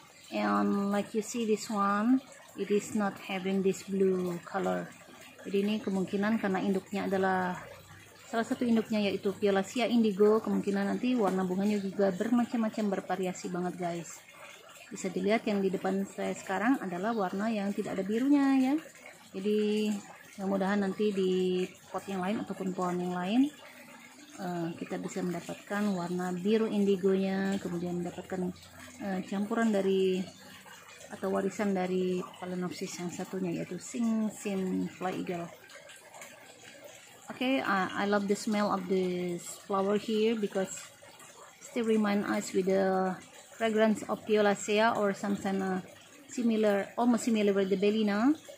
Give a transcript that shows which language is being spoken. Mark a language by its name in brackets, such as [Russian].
[English] And like you see this one, it is not having this blue color. [Indonesian] Jadi ini kemungkinan karena induknya adalah salah satu induknya yaitu Piolacea Indigo, kemungkinan nanti warna bunganya juga bermacam-macam, bervariasi banget guys. Bisa dilihat yang di depan saya sekarang adalah warna yang tidak ada birunya ya. Jadi mudah-mudahan nanti di pot yang lain ataupun pohon yang lain kita bisa mendapatkan warna biru indigonya, kemudian mendapatkan campuran dari atau warisan dari Phalaenopsis yang satunya yaitu Sing Sing Fly Eagle. [English] Okay, I love the smell of this flower here because still remind us with the fragrance of Piolacea or sometimes similar, almost similar with the Belina.